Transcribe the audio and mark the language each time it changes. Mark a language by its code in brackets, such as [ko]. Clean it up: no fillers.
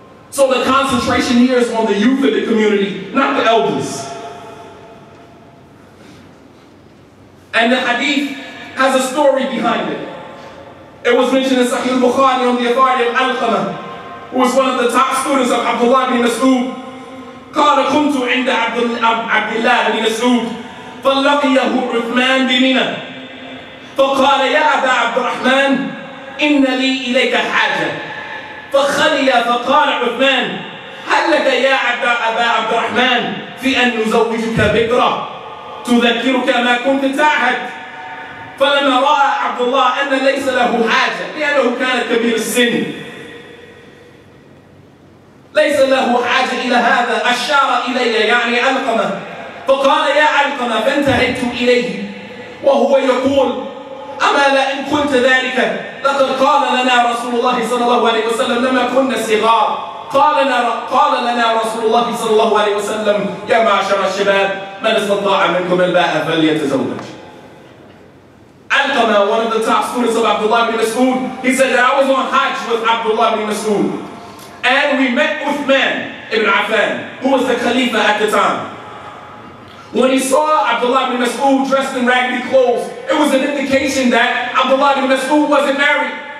[en] So the concentration here is on the youth of the community, not the elders. And the hadith has a story behind it. It was mentioned in Sahih al-Bukhari on the authority of Al-Qamah, who was one of the top students of Abdullah ibn Mas'ud. [ar] قَالَ كُنْتُ عِنْدَ عَبْدِ اللَّهِ بِنِ سُودِ فَلَّقِيَهُ عُثْمَانِ بِمِنَا فَقَالَ يَا أَبَا عَبْدُ الرَّحْمَنِ إِنَّ لِي إِلَيْكَ حَاجَةً فَخَلِيَ فَقَالَ عُثْمَانِ هَلْ لَكَ يَا أَبَا عَبْدُ الرَّحْمَنِ فِي أَنْ نُزَوِّجُكَ بِكْرَةً تُذَكِّرُكَ مَا كُنْتَ تَعْهَدْ فَلَمَا رَأَى عَبْدُ اللَّهِ أَنَّ لَيْسَ لَهُ حَاجَةً لِأَنَّهُ كَانَ كَبِيرَ السِّنِّ ليس له حاجة إلى هذا أشار إلي يعني علقمة فقال يا علقمة فانتهيت إليه وهو يقول أما لئن كنت ذلك لقد قال لنا رسول الله صلى الله عليه وسلم لما كنا صغار قال لنا رسول الله صلى الله عليه وسلم يا معشر الشباب من استطاع منكم الباءة فليتزوج. [en] علقمة, one of the top students of Abdullah ibn Mas'ud, he said that I was on Hajj with Abdullah ibn Mas'ud. And we met Uthman ibn Affan, who was the Khalifa at the time. When he saw Abdullah ibn Mas'ud dressed in raggedy clothes, it was an indication that Abdullah ibn Mas'ud wasn't married.